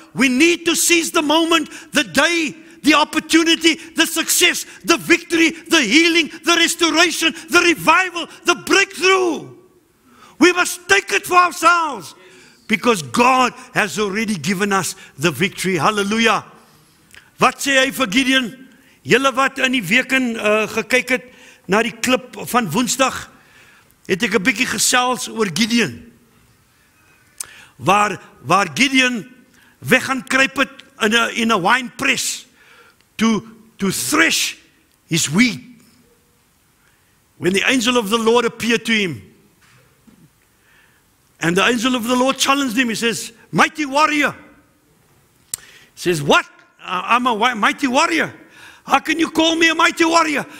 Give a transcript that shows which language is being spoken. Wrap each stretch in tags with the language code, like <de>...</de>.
<en>We need to seize the moment, the day, the opportunity, the success, the victory, the healing, the restoration, the revival, the breakthrough. We must take it for ourselves because God has already given us the victory. Hallelujah.</en> <af>Wat sê hy vir Gideon? Julle wat in die weken gekyk het na die klip van woensdag, het ek 'n bietjie gesels oor Gideon. Waar Gideon weg gaan kruip het</af> <en>in a wine press. To thresh his wheat. When the angel of the Lord appeared to him, and the angel of the Lord challenged him, he says, mighty warrior. He says, what? I'm a mighty warrior. How can you call me a mighty warrior?</en>